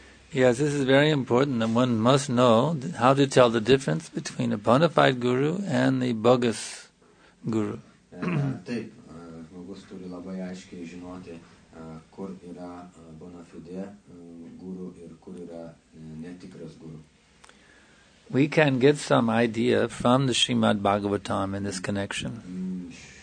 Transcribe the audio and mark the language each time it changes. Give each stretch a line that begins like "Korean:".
English: Yes, this is very important, and one must know how to tell the difference between a bona fide guru and the bogus guru.
Lithuanian: Taip, žmogus turi labai aiškiai žinoti, kur yra bona fide guru ir kur yra netikras guru.
English: We can get some idea from the Srimad Bhagavatam in this connection.